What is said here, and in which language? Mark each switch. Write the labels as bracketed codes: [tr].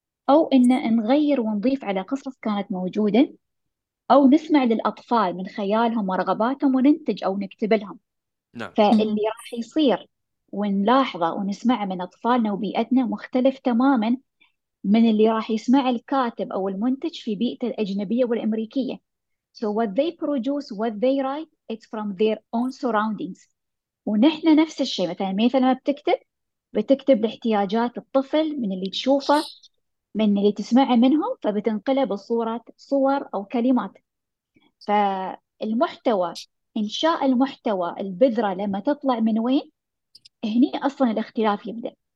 [ar] أو إن نغير ونضيف على قصص كانت موجودة، أو نسمع للأطفال من خيالهم ورغباتهم وننتج أو نكتب لهم. نعم. فاللي راح يصير ونلاحظه ونسمعه من أطفالنا وبيئتنا مختلف تماماً من اللي راح يسمع الكاتب أو المنتج في بيئته الأجنبية والأمريكية. [en] So what they produce, what they write, it's from their own surroundings. [ar] ونحن نفس الشيء، مثلاً ما بتكتب، بتكتب لاحتياجات الطفل من اللي تشوفه، من اللي تسمعه منهم، فبتنقله بصورة صور أو كلمات. فالمحتوى، إنشاء المحتوى، البذرة لما تطلع من وين، هني أصلاً الاختلاف يبدأ.